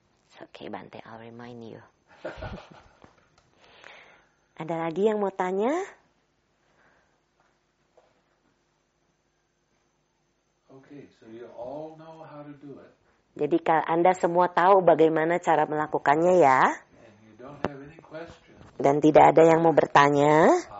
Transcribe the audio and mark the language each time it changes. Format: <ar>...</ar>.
<en>It's okay, Bante. I'll remind you.</en> <id>Ada lagi yang mau tanya?</id> <en>Okay, so you all know how to do it.</en> <id>Jadi Anda semua tahu bagaimana cara melakukannya, ya?</id> <en>And you don't have any questions.</en> <id>Dan tidak ada yang mau bertanya?</id>